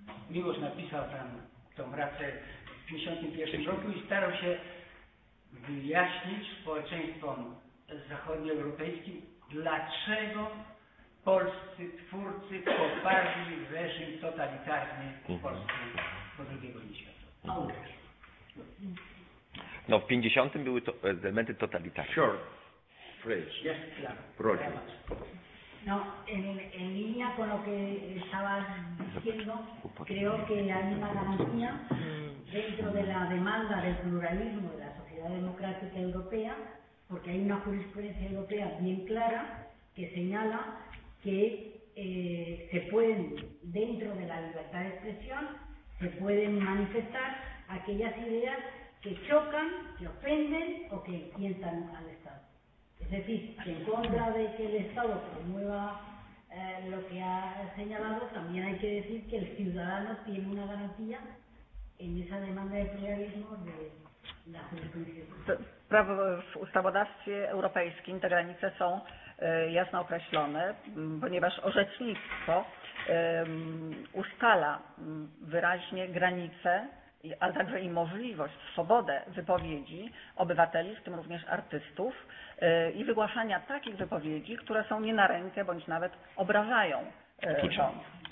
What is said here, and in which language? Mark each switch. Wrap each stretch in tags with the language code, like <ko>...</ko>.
<pl>Miłosz napisał tam tą pracę w 1951 roku i starał się wyjaśnić społeczeństwom zachodnioeuropejskim, dlaczego polscy twórcy poparli reżim totalitarny polski po II wojnie światowej. No w 50 były to elementy totalitarne.</pl> <en>Sure. Yes, claro.</en> <es>No, en línea con lo que estabas diciendo, creo que la misma garantía dentro de la demanda del pluralismo de la sociedad democrática europea, porque hay una jurisprudencia europea bien clara que señala que se pueden, dentro de la libertad de expresión, se pueden manifestar aquellas ideas que chocan, que ofenden o que tientan al Estado. Es decir, que en contra de que el Estado promueva lo que ha señalado, también hay que decir que el ciudadano tiene una garantía en esa demanda de pluralismo de la jurisprudencia.</es> <pl>Prawo w ustawodawstwie europejskim te granice są jasno określone, ponieważ orzecznictwo ustala wyraźnie granice, a także i możliwość, swobodę wypowiedzi obywateli, w tym również artystów, i wygłaszania takich wypowiedzi, które są nie na rękę, bądź nawet obrażają rząd.</pl>